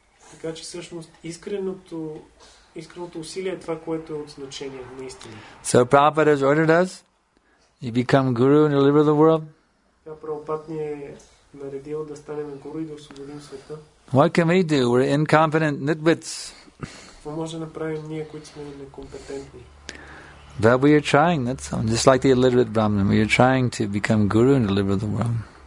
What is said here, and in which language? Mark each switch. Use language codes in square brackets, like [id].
[bg] Така че всъщност искреното усилие е това, което е от значение наистина. [en] So Prabhupada has ordered us, you become guru and deliver the world. [bg] Тя Прабхупад ни е наредил да станем гуру и да освободим света. [en] What can we do? We're incompetent nitwits. [bg] Какво може да направим ние, които сме некомпетентни? [en] But we are trying, that's all. Just like the illiterate Brahmin, we are trying to become guru and deliver the world.